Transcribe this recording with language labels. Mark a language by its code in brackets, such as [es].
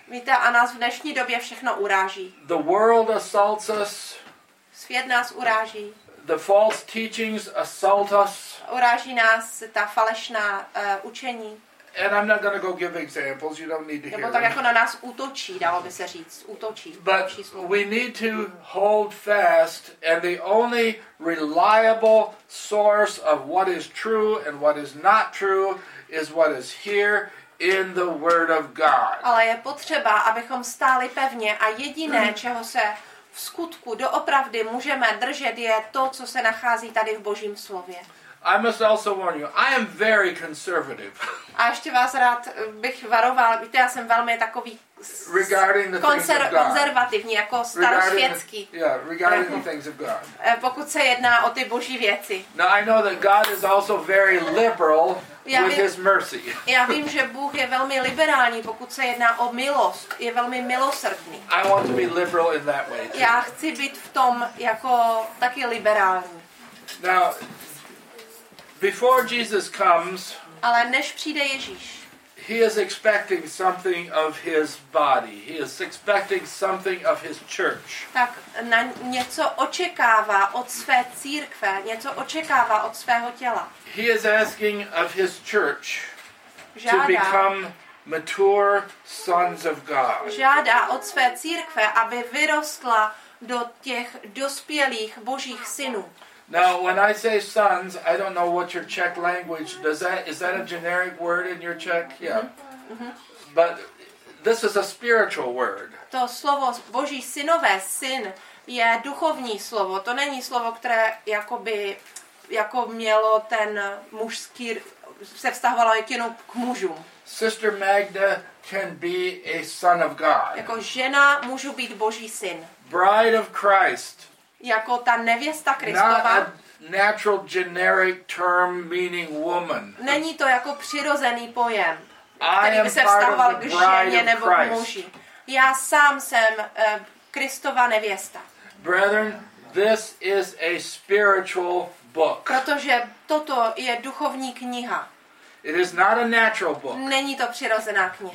[cs] Víte, a nás v dnešní době všechno uráží. [en] The world assaults us. [cs] Svět nás uráží. [en] The false teachings assault us. [cs] Uráží nás ta falešná učení. [en] And I'm not going to go give examples. You don't need to hear. [cs] Nebo tak jako na nás útočí, dalo by se říct, útočí. [en] But we need to hold fast, and the only reliable source of what is true and what is not true is what is here in the Word of God. [cs] Ale je potřeba, abychom stáli pevně, a jediné, čeho se v skutku doopravdy můžeme držet, je to, co se nachází tady v Božím slově. [en] I must also warn you, I am very conservative. [cs] A ještě vás rád bych varoval, víte, já jsem velmi takový [en] regarding the [cs] konzervativní, jako starosvětský. [en] Regarding the things of God. [cs] Pokud se jedná o ty boží věci. [en] Now I know that God is also very liberal with his mercy. [cs] Já vím, že Bůh je velmi liberální, pokud se jedná o milost, je velmi milosrdný. [en] I want to be liberal in that way too. [cs] Já chci být v tom jako taky liberální. [en] Now, before Jesus comes, [cs] ale než přijde Ježíš, [en] he is expecting something of his body. He is expecting something of his church. [cs] Tak na něco očekává od své církve, něco očekává od svého těla. [en] He is asking of his church to become mature sons of God. [cs] Žádá od své církve, aby vyrostla do těch dospělých božích synů. [en] Now, when I say sons, I don't know what your Czech language does. That is that a generic word in your Czech? Yeah. Mm-hmm. But this is a spiritual word. [cs] To slovo Boží synové, syn, je duchovní slovo. To není slovo, které jakoby jako mělo ten mužský se vztahovalo jenom k mužům. [en] Sister Magda can be a son of God. [cs] Jako žena můžu být Boží syn. [en] Bride of Christ. [cs] Jako ta nevěsta Kristova. [en] Not a natural generic term meaning woman. [cs] Není to jako přirozený pojem, který by se vztahoval k ženě nebo k muži. Já sám jsem Kristova nevěsta. [en] Brethren, this is a spiritual book. [cs] Protože toto je duchovní kniha. [en] It is not a natural book. [cs] Není to přirozená kniha.